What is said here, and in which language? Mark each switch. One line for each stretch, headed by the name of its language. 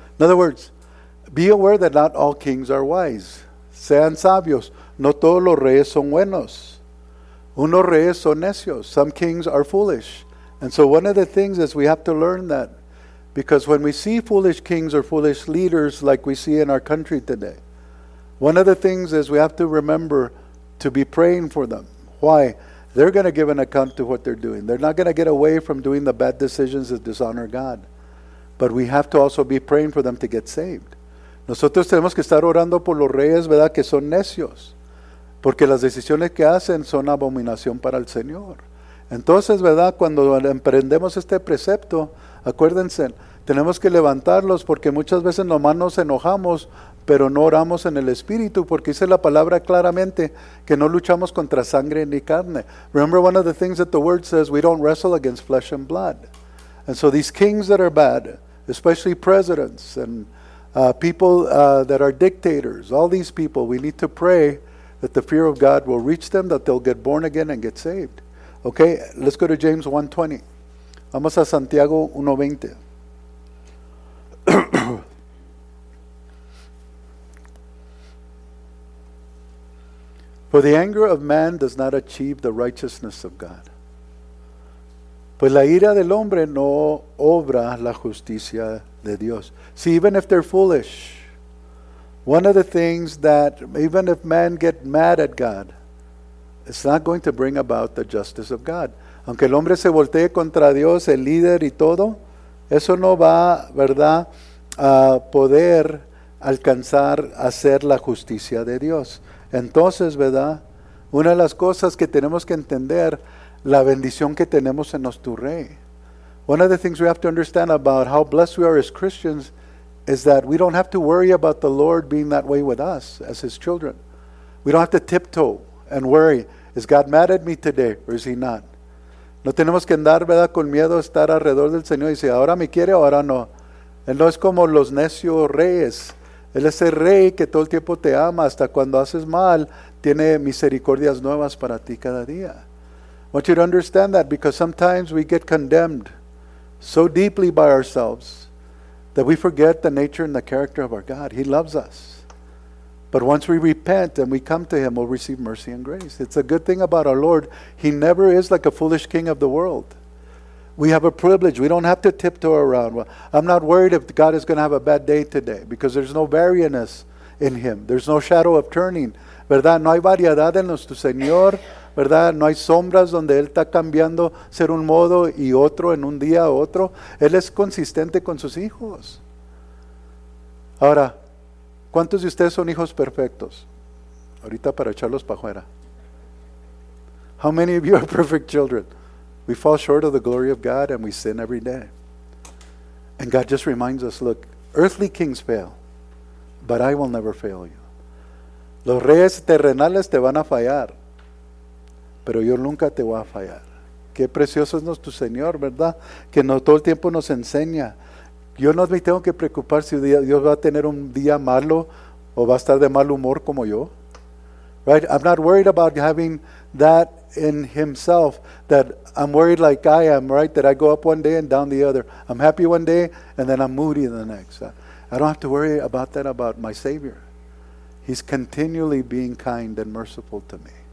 English: In other words, be aware that not all kings are wise.
Spanish: Sean sabios. No todos los reyes son buenos. Unos reyes son necios.
English: Some kings are foolish. And so one of the things is we have to learn that. Because when we see foolish kings or foolish leaders like we see in our country today, one of the things is we have to remember to be praying for them. Why? They're going to give an account to what they're doing. They're not going to get away from doing the bad decisions that dishonor God. But we have to also be praying for them to get saved.
Spanish: Nosotros tenemos que estar orando por los reyes, ¿verdad?, que son necios. Porque las decisiones que hacen son abominación para el Señor. Entonces, ¿verdad?, cuando emprendemos este precepto, acuérdense, tenemos que levantarlos, porque muchas veces nomás nos enojamos, pero no oramos en el Espíritu, porque dice la palabra claramente que no luchamos contra sangre ni carne.
English: Remember, one of the things that the word says, we don't wrestle against flesh and blood. And so these kings that are bad, especially presidents and people that are dictators, all these people, we need to pray that the fear of God will reach them, that they'll get born again and get saved. Okay, let's go to James 1:20.
Spanish: Vamos a Santiago 1:20.
English: For the anger of man does not achieve the righteousness of God.
Spanish: Pues la ira del hombre no obra la justicia de Dios.
English: See, even if they're foolish, one of the things that, even if men get mad at God, it's not going to bring about the justice of God.
Spanish: Aunque el hombre se voltee contra Dios, el líder y todo, eso no va, ¿verdad?, a poder alcanzar a hacer la justicia de Dios. Entonces, ¿verdad?, una de las cosas que tenemos que entender, la bendición que tenemos en nuestro rey.
English: One of the things we have to understand about how blessed we are as Christians is that we don't have to worry about the Lord being that way with us as his children. We don't have to tiptoe and worry, is God mad at me today or is he not?
Spanish: No tenemos que andar, ¿verdad?, con miedo a estar alrededor del Señor y decir, ahora me quiere o ahora no. Él no es como los necios reyes. Él es el rey que todo el tiempo te ama, hasta cuando haces mal, tiene misericordias nuevas para ti cada día.
English: I want you to understand that because sometimes we get condemned so deeply by ourselves that we forget the nature and the character of our God. He loves us. But once we repent and we come to him, we'll receive mercy and grace. It's a good thing about our Lord. He never is like a foolish king of the world. We have a privilege. We don't have to tiptoe around. Well, I'm not worried if God is going to have a bad day today because there's no variance in him. There's no shadow of turning.
Spanish: ¿Verdad? No hay variedad en nuestro Señor. ¿Verdad? No hay sombras donde Él está cambiando ser un modo y otro en un día a otro. Él es consistente con sus hijos. Ahora, ¿cuántos de ustedes son hijos perfectos? Ahorita para echarlos para afuera.
English: How many of you are perfect children? We fall short of the glory of God and we sin every day. And God just reminds us, look, earthly kings fail, but I will never fail you.
Spanish: Los reyes terrenales te van a fallar, pero yo nunca te voy a fallar. Qué precioso es nuestro Señor, ¿verdad? Que no, todo el tiempo nos enseña. Yo no me tengo que preocupar si Dios va a tener un día malo o va a estar de mal humor como yo.
English: Right? I'm not worried about having that in himself, that I'm worried like I am, right? That I go up one day and down the other. I'm happy one day and then I'm moody the next. I don't have to worry about that about my Savior. He's continually being kind and merciful to me.